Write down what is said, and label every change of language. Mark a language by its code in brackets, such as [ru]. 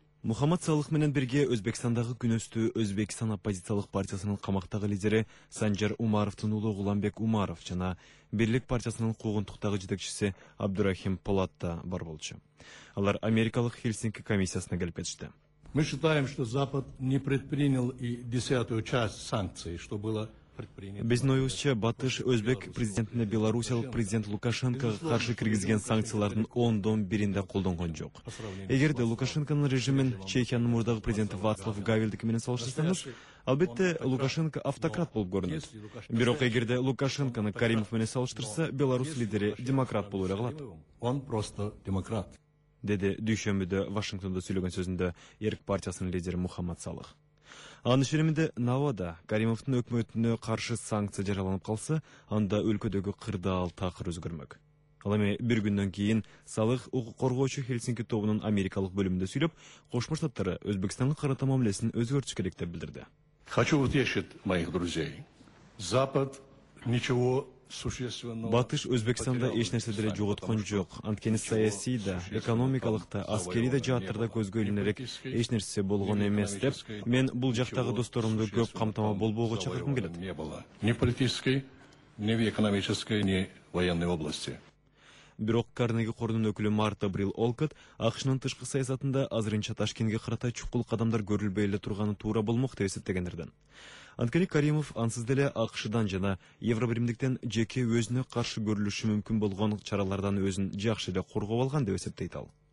[ky] Мухаммад Салих менен бирге Өзбекстандагы күнөстүү Өзбекстан оппозициялык партиясынын камактагы лидери Санжар Умаровдун уулу Гуланбек Умаров жана Бирлик партиясынын куугунтуктагы жетекчиси Абдурахим Полат да бар болчу. Алар Америкалык Хельсинки комиссиясына келип кетишти. [ru] Мы считаем, что Запад не предпринял и десятую часть санкций, что было. [ky] Биздин оюбузча Батыш өзбек президентине Белоруссиялык президент Лукашенкога каршы киргизген санкциялардын 10-1 да колдонгон жок. Эгерде Лукашенконун режимин Чехиянын мурдагы президенти Вацлав Гавелдики менен салыштырсаңыз, албетте Лукашенко автократ болуп көрүнөт. Бирок эгерде Лукашенкону Каримов менен салыштырса, Беларусь лидери демократ болуп эле калат. [ru] Он просто демократ, [ky] деди дүйшөмбүдө Вашингтондо сүйлөгөн сөзүндө Эрк партиясынын лидери Мухаммад Салых. Анын ишенимде Навада Каримовдун өкмөтүнө каршы санкция жарыяланып калса, анда өлкөдөгү кырдаал такыр өзгөрмөк. Ал эми бир күндөн кийин Салых укук коргоочу Хельсинки тобунун америкалык бөлүмүндө сүйлөп, Кошмо Штаттары Өзбекстанга карата мамилесин өзгөртүш керек деп билдирди. [ru] Хочу утешить моих друзей. Запад ничего [ky] Батыш Өзбекстанда эч нерсе деле жоготкон жок. Анткени саясий да, экономикалык да, аскерий да жаатырда көзгө илинерек эч нерсе болгон эмес деп, мен бул жактагы досторумду көп камтама болбоого чакыргым келет. [ru] Ни политический, ни в экономической, ни военной области. [ky] Бирок Карнеги корунун өкүлү Марта Брил Олкот АКШнын тышкы саясатында азырынча Ташкентке карата чукул кадамдар көрүлбөй эле турганы туура болмок деп эсептегендерден. Анткени Каримов ансыз деле АКШдан жана Евробиримдиктен жеке өзүнө каршы көрүлүшү мүмкүн болгон чаралардан өзүн жакшы эле коргоп алган деп эсептейт ал.